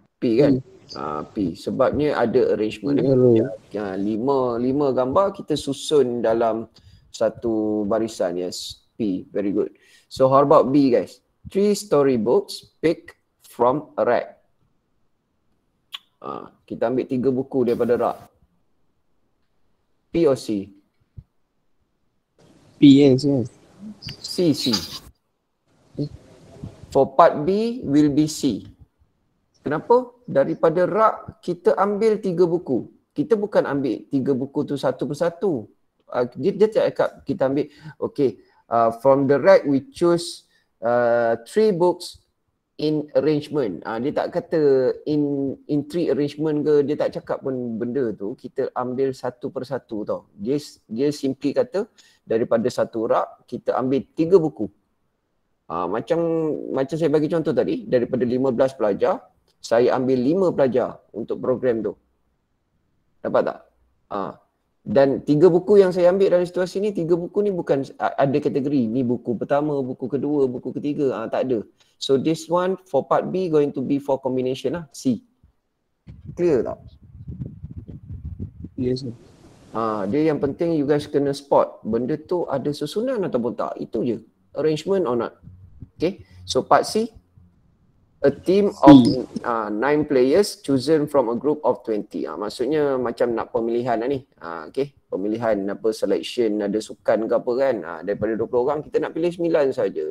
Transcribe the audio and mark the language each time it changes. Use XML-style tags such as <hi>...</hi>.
<ms>P kan? P. Sebabnya ada arrangement. Lima gambar kita susun dalam satu barisan.</ms> <en>Yes. P. Very good. So how about B guys? Three storybooks pick from a rack.</en> <ms>Kita ambil tiga buku daripada rak.</ms> <en>P or C? P. Yes. Yes. C. C. For part B will be C.</en> <ms>Kenapa? Daripada rak kita ambil tiga buku. Kita bukan ambil tiga buku tu satu persatu. Dia cakap kita ambil. Okay.</ms> <en>From the rack we choose three books in arrangement.</en> <ms>Dia tak kata</ms> <en>in three arrangement</en> <ms>ke. Dia tak cakap pun benda tu. Kita ambil satu persatu tau. Dia simply kata daripada satu rak kita ambil tiga buku. Macam saya bagi contoh tadi, daripada 15 pelajar, saya ambil 5 pelajar untuk program tu. Dapat tak? Dan 3 buku yang saya ambil dalam situasi ni, 3 buku ni bukan ada kategori. Ni buku pertama, buku kedua, buku ketiga. Tak ada.</ms> <en>So this one for part B going to be for combination lah. C. Clear tak? Yes, sir.</en> <ms>Dia yang penting you guys kena spot benda tu ada susunan ataupun tak. Itu je.</ms> <en>Arrangement or not.</en> <ms>Okay, so part C,</ms> <en>A team of 9 players chosen from a group of 20.</en> <ms>Maksudnya macam nak pemilihan lah ni. Okay. Pemilihan apa, selection ada sukan ke apa kan. Daripada 20 orang kita nak pilih 9 saja.</ms>